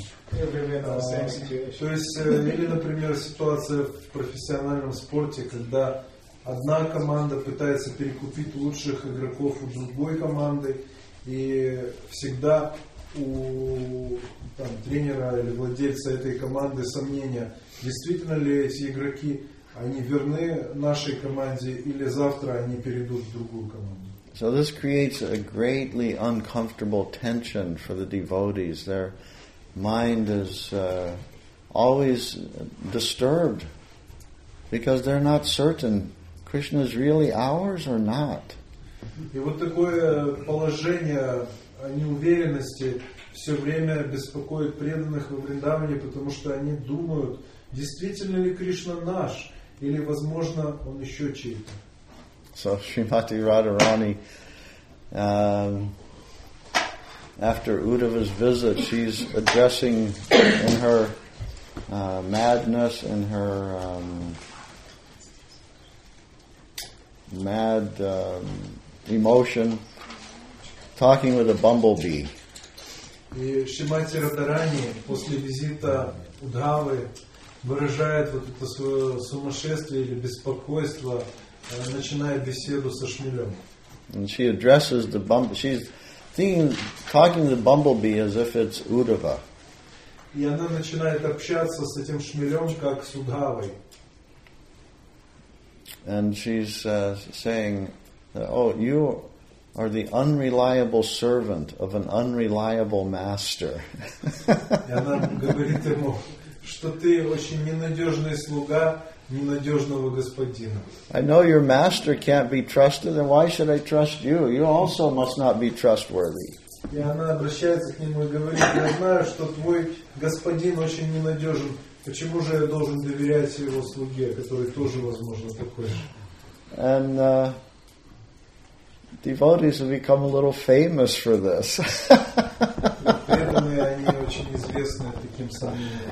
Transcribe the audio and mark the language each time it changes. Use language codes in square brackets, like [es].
[ru] То есть, или, например, ситуация в профессиональном спорте, когда одна команда пытается перекупить лучших игроков у другой команды, и всегда у там, тренера или владельца этой команды сомнения, действительно ли эти игроки, они верны нашей команде, или завтра они перейдут в другую команду. [en] So this creates a greatly uncomfortable tension for the devotees. They're mind is always disturbed because they're not certain Krishna is really ours or not. [ru] И вот такое положение неуверенности все время беспокоит преданных во Вриндаване, потому что они думают, действительно ли Кришна наш или, возможно, он еще чей-то. [en] So Srimati Radharani, after Uddhava's visit, she's addressing in her madness, in her mad emotion, talking with a bumblebee. [ru] И Шримати Радарани после визита Удхавы выражает вот это свое сумасшествие или беспокойство, начиная беседу со шмелем. [en] And she addresses the bumblebee. She's talking to the bumblebee as if it's Uddhava. [ru] И она начинает общаться с этим шмелем, как с Удхавой. [en] And she's saying, oh, you are the unreliable servant of an unreliable master. [ru] И она говорит ему, что ты очень ненадежный слуга ненадежного господина. [en] I know your master can't be trusted, and why should I trust you? You also must not be trustworthy. [ru] И она обращается к нему и говорит, я знаю, что твой господин очень ненадежен. Почему же я должен доверять его слуге, который тоже, возможно, такой же? [en] And devotees have become a little famous for this. [ru] Преданные, они очень известны таким сомнением.